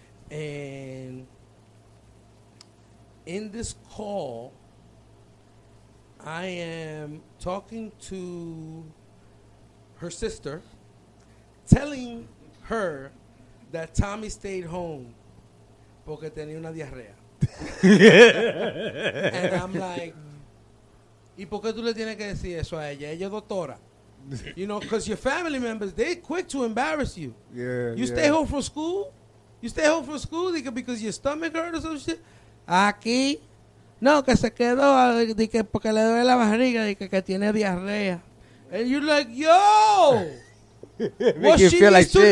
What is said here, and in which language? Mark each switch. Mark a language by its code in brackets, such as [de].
[en] And in this call, I am talking to her sister, telling her that Tommy stayed home [es] porque tenía una diarrea. [en] And I'm like, [es] ¿y por qué tú le tienes que decir eso a ella? Ella es doctora. [en] You know, because your family members, they quick to embarrass you. Yeah. You stay home from school? You stay home from school because your stomach hurt or some shit? [es] Aquí. No, que se quedó porque le duele la barriga y que tiene diarrea. [en] And you're like, yo, what she needs like to shit.